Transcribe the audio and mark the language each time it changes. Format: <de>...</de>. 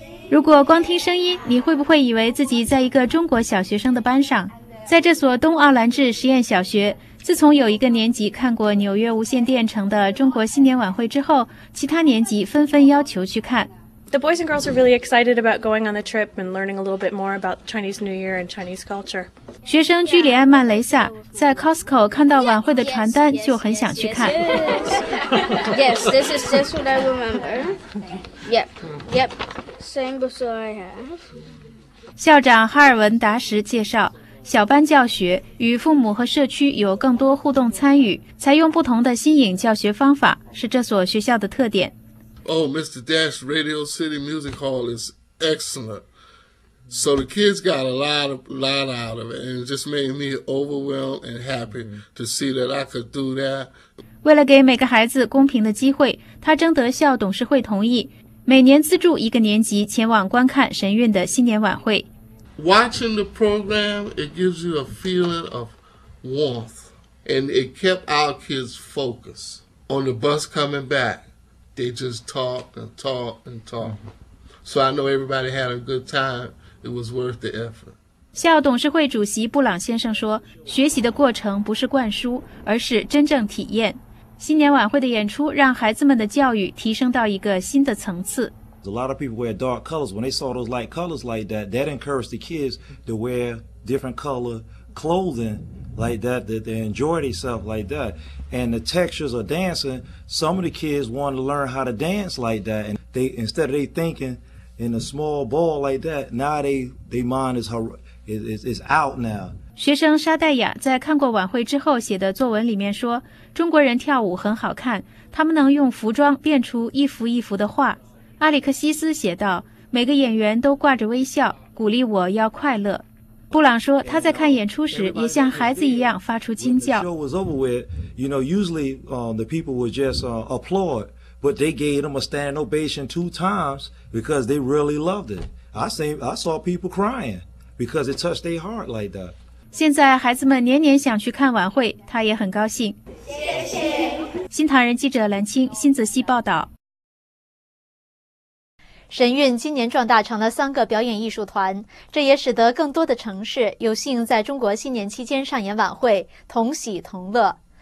<zh>如果光听声音，你会不会以为自己在一个中国小学生的班上？在这所东奥兰治实验小学，自从有一个年级看过纽约无线电城的中国新年晚会之后，其他年级纷纷要求去看。</zh> <en>The boys and girls are really excited about going on the trip and learning a little bit more about Chinese New Year and Chinese culture.</en> <zh>学生居里安曼雷萨在 Costco 看到晚会的传单就很想去看。</zh> <en>Yes, this is just what I remember. Yep, yep. Same before I have.</en> <zh>校长哈尔文达什介绍，小班教学与父母和社区有更多互动参与，采用不同的新颖教学方法是这所学校的特点。</zh> <en>Oh, Mr. Dash, Radio City Music Hall is excellent. So the kids got a lot out of it, and it just made me overwhelmed and happy to see that I could do that.</en> <zh>为了给每个孩子公平的机会，他征得校董事会同意。每年资助一个年级前往观看神韵的新年晚会。</zh> <en>Watching the program, it gives you a feeling of warmth, and it kept our kids focused. On the bus coming back, they just talked and talked and talked. So I know everybody had a good time. It was worth the effort.</en> <zh>校董事会主席布朗先生说，学习的过程不是灌输，而是真正体验。新年晚会的演出让孩子们的教育提升到一个新的层次。</zh> <en>A lot of people wear dark colors. When they saw those light colors like that, that encouraged the kids to wear different color clothing like that, that they enjoy themselves like that. And the textures of dancing, some of the kids wanted to learn how to dance like that. And they, instead of they thinking in a small ball like that, now they mind is out now.</en> <zh>学生沙黛雅在看过晚会之后写的作文里面说，中国人跳舞很好看，他们能用服装变出一幅一幅的画。阿里克西斯写道，每个演员都挂着微笑，鼓励我要快乐。布朗说，他在看演出时也像孩子一样发出惊叫。</zh> <en>When the show was over with, you know, usually, the people would just, applaud, but they gave them a standing ovation 2 times because they really loved it. I saw people crying because it touched their heart like that.</en> <zh>现在孩子们年年想去看晚会，他也很高兴。谢谢。新唐人记者蓝青新泽西报道。神韵今年壮大成了三个表演艺术团，这也使得更多的城市有幸在中国新年期间上演晚会，同喜同乐。</zh>